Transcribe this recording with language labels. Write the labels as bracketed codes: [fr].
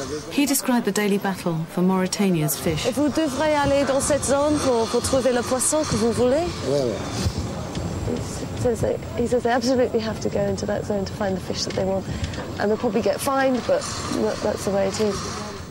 [en] He described the daily battle for Mauritania's fish. [fr] Vous devrez aller dans cette zone pour trouver le poisson que vous voulez. [en] He says they absolutely have to go into that zone to find the fish that they want, and they'll probably get fined, but that's the way it is.